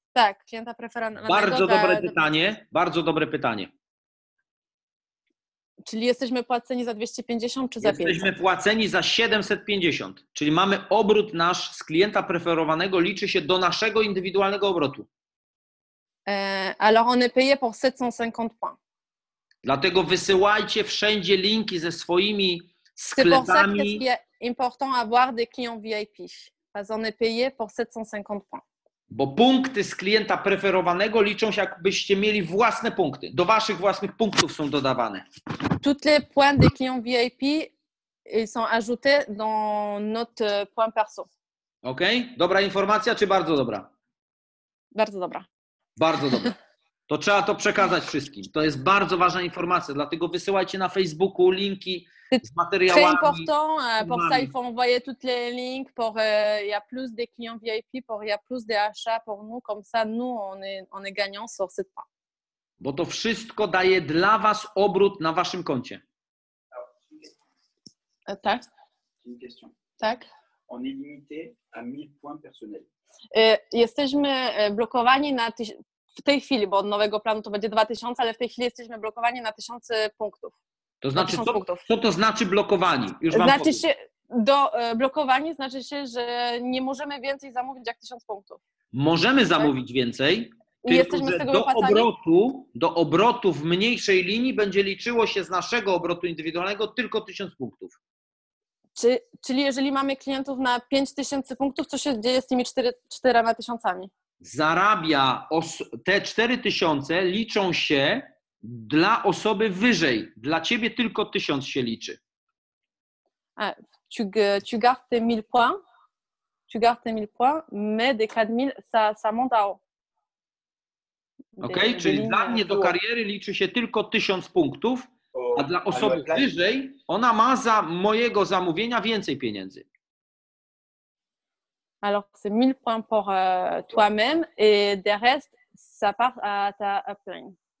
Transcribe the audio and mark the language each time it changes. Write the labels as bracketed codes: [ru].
[pl] Tak, klienta preferowanego. Bardzo dobre pytanie, bardzo dobre pytanie. Czyli jesteśmy płaceni za 250 czy za 500? Jesteśmy płaceni za 750, czyli mamy obrót nasz z klienta preferowanego liczy się do naszego indywidualnego obrotu. [fr] Alors on est payé pour 750 points. [pl] Dlatego wysyłajcie wszędzie linki ze swoimi sklepami. [fr] C'est pour ça que c'est important avoir des clients VIP, parce on est payé pour 750 points. [pl] Bo punkty z klienta preferowanego liczą się, jakbyście mieli własne punkty. Do waszych własnych punktów są dodawane. [fr] Toutes les points des clients VIP ils sont ajoutés dans notre point perso. OK? [pl] Dobra informacja czy bardzo dobra? Bardzo dobra. Bardzo dobra. To trzeba to przekazać wszystkim. To jest bardzo ważna informacja, dlatego wysyłajcie na Facebooku linki z materiałami. Très important, pour ça il faut envoyer toutes les links, pour il y a plus de clients VIP, pour il y a plus de achats pour nous, comme ça nous on est gagnant sur cette part. Bo to wszystko daje dla was obrót na waszym koncie. Tak. Tak. [fr] On est limité à 1000 points personnels. [pl] Jesteśmy blokowani na w tej chwili, bo od nowego planu to będzie 2000, ale w tej chwili jesteśmy blokowani na 1000 punktów. To znaczy, co to znaczy blokowani? Już wam znaczy powiem. Się, do blokowani znaczy się, że nie możemy więcej zamówić jak 1000 punktów. Możemy tak? Zamówić więcej, i tylko jesteśmy z tego do obrotu w mniejszej linii będzie liczyło się z naszego obrotu indywidualnego tylko 1000 punktów. Czyli jeżeli mamy klientów na 5000 punktów, co się dzieje z tymi 4 tysiącami? Zarabia, te 4000 liczą się dla osoby wyżej. Dla ciebie tylko 1000 się liczy. [fr] Tu gardes tes 1000 points. Tu gardes tes 1000 points, mais des 4000, ça monte à Okay? [pl] Czyli dla mnie do kariery liczy się tylko 1000 punktów, a dla osoby wyżej, ona ma za mojego zamówienia więcej pieniędzy. [fr] Alors, c'est 1000 points pour toi-même et de reste, ça part à ta upline.